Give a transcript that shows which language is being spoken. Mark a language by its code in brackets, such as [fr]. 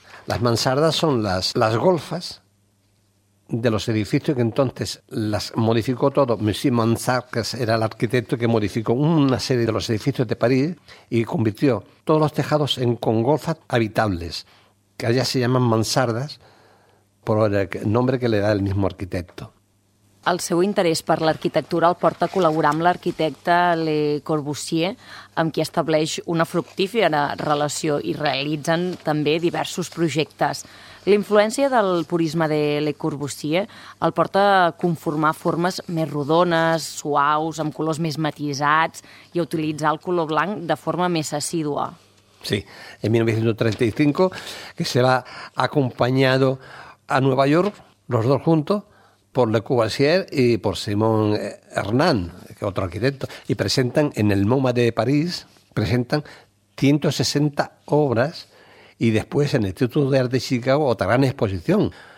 [es] Las mansardas son las golfas de los edificios que entonces las modificó todo. Monsieur Mansart, que era el arquitecto que modificó una serie de los edificios de París y convirtió todos los tejados en con golfas habitables, que allá se llaman mansardas, por el nombre que le da el mismo arquitecto. [ca] El seu interès per l'arquitectura el porta a col·laborar amb l'arquitecte Le Corbusier, amb qui estableix una fructífera relació i realitzen també diversos projectes. L'influència del purisme de Le Corbusier el porta a conformar formes més rodones, suaus, amb colors més matisats i a utilitzar el color blanc de forma més assídua. [es] Sí, en 1935, que se va acompañado a Nueva York, los dos juntos, por Le Corbusier y por Simon Hernand, que otro arquitecto, y presentan en el MoMA de París, presentan 160 obras y después en el Instituto de Arte de Chicago otra gran exposición.